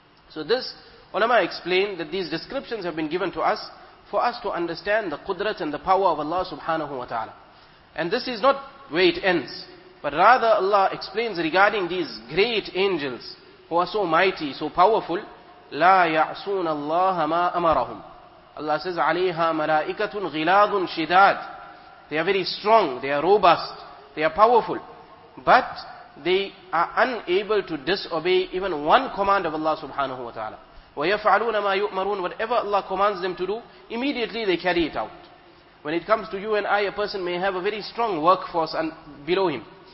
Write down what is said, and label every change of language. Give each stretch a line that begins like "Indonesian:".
English: So this, ulama explained that these descriptions have been given to us for us to understand the qudrat and the power of Allah subhanahu wa ta'ala. And this is not where it ends, but rather Allah explains regarding these great angels who are so mighty, so powerful,
Arabic: لَا يَعْصُونَ اللَّهَ مَا أَمَرَهُمْ.
English: Allah says,
Arabic: عَلَيْهَا مَلَائِكَةٌ غِلَاظٌ شِدَادٌ.
English: They are very strong, they are robust, they are powerful, but they are unable to disobey even one command of Allah subhanahu wa ta'ala.
Arabic: وَيَفْعَلُونَ مَا يُؤْمَرُونَ.
English: Whatever Allah commands them to do, immediately they carry it out. When it comes to you and I, a person may have a very strong workforce below him.